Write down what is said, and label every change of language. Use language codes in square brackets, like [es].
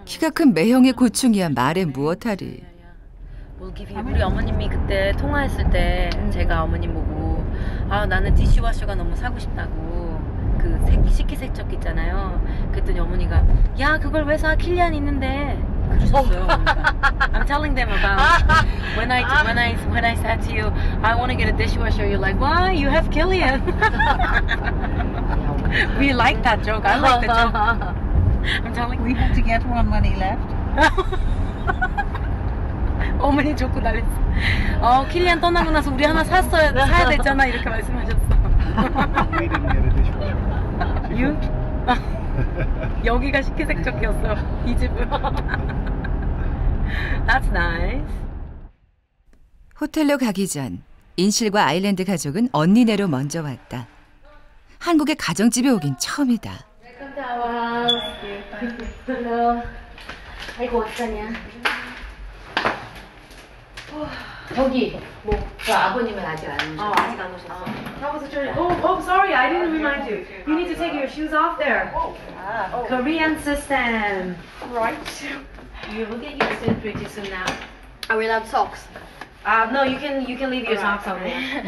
[ko] 키가 큰 매형의 고충이야 말해 무엇하리. [en] We'll give you. [ko] 우리 어머님이 그때 통화했을 때 제가 어머님 보고 아 나는 디시와셔가 너무 사고 싶다고 그 식기세척기 있잖아요. 그랬더니 어머니가 야 그걸 왜 사? 킬리안 있는데 그러셨어요. [en] I'm telling them about when I said to you I want to get a dishwasher. You're like, why? You have Killian. We like that joke. I like the joke. I'm telling. We have to get one when he left. [ko] 어머니 좋고 난리. 어 킬리안 떠나고 나서 우리 하나 샀어야 사야 되잖아 이렇게 말씀하셨어. 여기가 식기세척기였어 이 집은. [en] That's nice. [ko] 호텔로 가기 전 인실과 아일랜드 가족은 언니네로 먼저 왔다. 한국의 가정집에 오긴 처음이다. [en] Welcome to our house. Hello. [ko] 아이고 왔다냐. 저기 뭐 그 아버님은 아직 안 오셨어요. 아, 아직 안 오셨어. [en] Oh, sorry. I didn't remind you. You need to take your shoes off there. Korean system. Right. You will get used to it pretty soon now. Are we allowed socks? No, you can leave your socks on there.